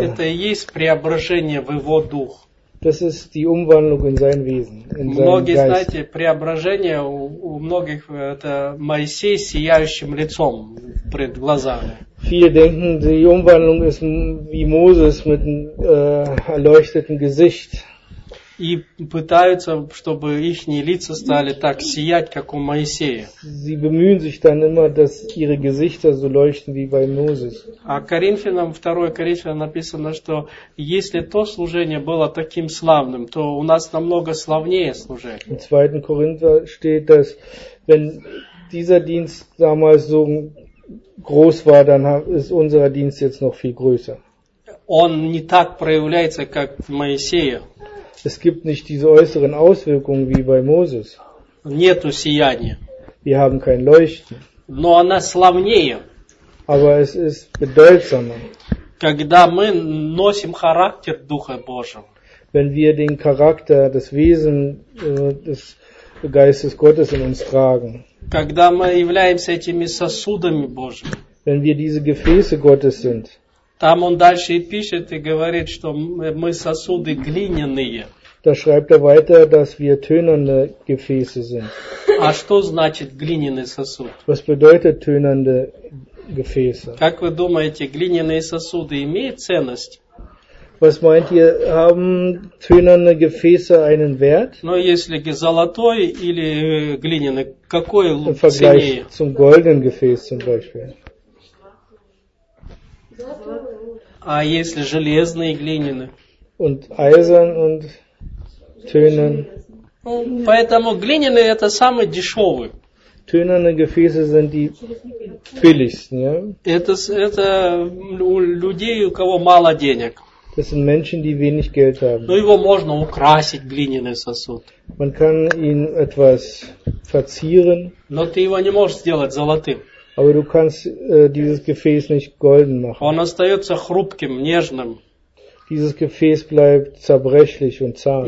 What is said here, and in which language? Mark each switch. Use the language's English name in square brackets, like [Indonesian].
[Russian] Это и есть преображение в его дух. [German] Das ist die Umwandlung in sein Wesen, in [Russian] многие, [German] seinen Geist. [Russian] Знаете, преображение у многих это Моисей сияющим лицом пред глазами. [German] Viele denken, die Umwandlung ist wie Moses mit erleuchtetem Gesicht. [Russian] И пытаются, чтобы ихние лица стали так сиять, как у Моисея. [German] Sie bemühen sich dann immer, dass ihre Gesichter so leuchten wie bei Moses. [Russian] А Коринфянам, 2 Коринфянам написано, что если то служение было таким славным, то у нас намного славнее служение. [German] In 2. Korinther steht, dass wenn dieser Dienst damals so groß war, dann ist unser Dienst jetzt noch viel größer. [Russian] Он не так проявляется, как Моисея. [German] Es gibt nicht diese äußeren Auswirkungen wie bei Moses. [Russian] Нету сияния. [German] Wir haben kein Leuchten. [Russian] Но она славнее. [German] Aber es ist bedeutsamer. [Russian] Когда мы носим характер Духа Божьего. [German] Wenn wir den Charakter, das Wesen des Geistes Gottes in uns tragen. [Russian] Когда мы являемся этими сосудами Божьими. [German] Wenn wir diese Gefäße Gottes sind. [Russian] Там он дальше и пишет и говорит, что мы сосуды глиняные. [German] Da schreibt weiter, dass wir tönerne Gefäße sind. [Russian] А что значит глиняный сосуд? [German] Was bedeutet tönerne Gefäße? [Russian] Как вы думаете, глиняные сосуды имеют ценность? [German] Was meint ihr, haben tönerne Gefäße einen Wert? [Russian] Но если золотой или глиняный, какой ценнее? [German] Im Vergleich zum goldenen Gefäß zum Beispiel. [Russian] А если железный и глиняный? [German] Und eisern und tönern. [Russian] Поэтому глиняный это самый дешевый. [German] Tönerne Gefäße sind die billigsten, ja? [Russian] Это у людей, у кого мало денег. [German] Das sind Menschen, die wenig Geld haben. [Russian] Но его можно украсить глиняный сосуд. [German] Man kann ihn etwas verzieren. [Russian] Но ты его не можешь сделать золотым. [German] Aber du kannst dieses Gefäß nicht golden machen. [Russian] Он остается хрупким, нежным. [German] Dieses Gefäß bleibt zerbrechlich und zart.